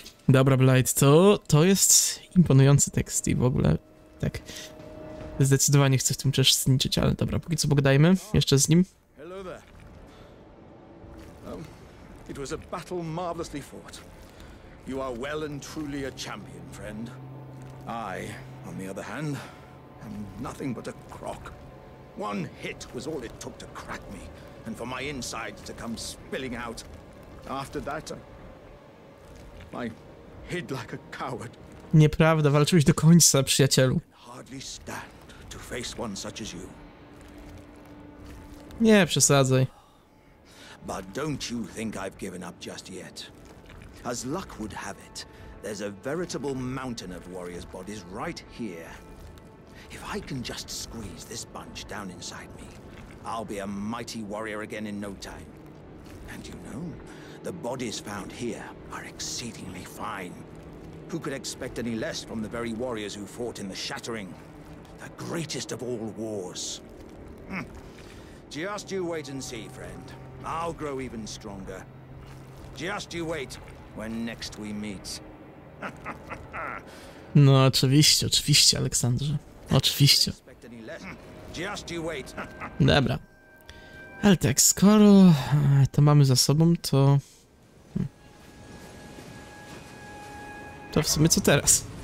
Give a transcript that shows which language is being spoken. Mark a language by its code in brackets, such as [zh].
[pl] Dobra, Blight, to jest imponujący tekst i w ogóle, tak. Zdecydowanie chcę w tym uczestniczyć, ale dobra, póki co pogadajmy jeszcze z nim. [en] Hello there. It was a battle marvelously fought. You are well and truly a champion, friend. I, on the other hand, am nothing but a crock. One hit was all it took to crack me, and for my insides to come spilling out. After that, I hid like a coward. [pl] Nieprawda, walczyłeś do końca, przyjacielu. [en] Hardly stand to face one such as you. [pl] Nie przesadzaj. [en] But don't you think I've given up just yet? As luck would have it, there's a veritable mountain of warriors' bodies right here. If I can just squeeze this bunch down inside me, I'll be a mighty warrior again in no time. And you know, the bodies found here are exceedingly fine. Who could expect any less from the very warriors who fought in the Shattering, the greatest of all wars? Just you wait and see, friend. I'll grow even stronger. Just you wait when next we meet. [pl] No, oczywiście, oczywiście, Aleksandrze. Oczywiście. [en] Just you wait. [pl] Dobra. Ale tak, skoro to mamy za sobą, to... To w sumie co teraz?